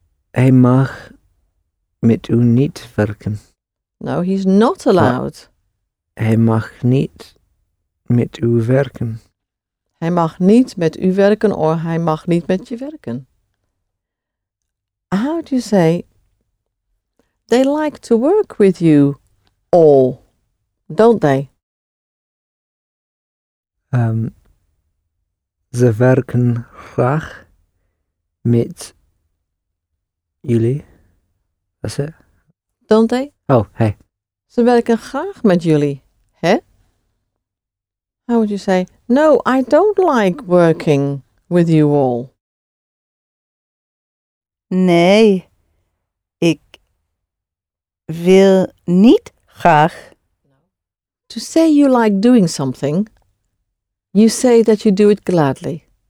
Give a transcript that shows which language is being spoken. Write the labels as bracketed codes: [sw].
[nl] Hij mag met u niet werken. [en] No, he's not allowed. [nl] Hij mag niet met u werken. Hij mag niet met u werken, [en] or [nl] hij mag niet met je werken. [en] How do you say, they like to work with you all, don't they? [nl] Ze werken graag met jullie. [en] That's it. Don't they? Oh, hey. [nl] Ze werken graag met jullie, hè? [en] How would you say, no, I don't like working with you all. [nl] Nee, ik wil niet graag. [en] To say you like doing something, you say that you do it gladly.